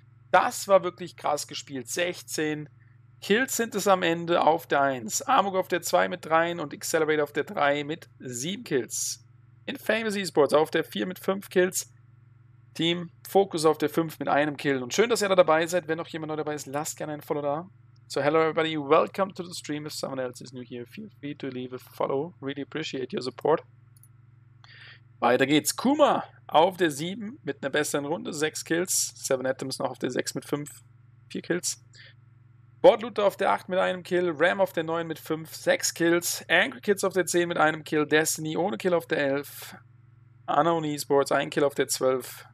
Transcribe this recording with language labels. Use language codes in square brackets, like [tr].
[de] Das war wirklich krass gespielt. 16 Kills sind es am Ende auf der 1. Amok auf der 2 mit 3 und Accelerate auf der 3 mit 7 Kills. In Famous Esports auf der 4 mit 5 Kills. Team Focus auf der 5 mit 1 Kill. Und schön, dass ihr da dabei seid. Wenn noch jemand neu dabei ist, lasst gerne einen Follow da. [en] So, hello everybody, welcome to the stream. If someone else is new here, feel free to leave a follow. Really appreciate your support. [de] Weiter geht's. Kuma auf der 7 mit einer besseren Runde. 6 Kills. 7 Atoms noch auf der 6 mit 5. 4 Kills. Boardlooter auf der 8 mit einem Kill. Ram auf der 9 mit 5. 6 Kills. Angry Kids auf der 10 mit einem Kill. Destiny ohne Kill auf der 11. Unknown Esports, 1 Kill auf der 12.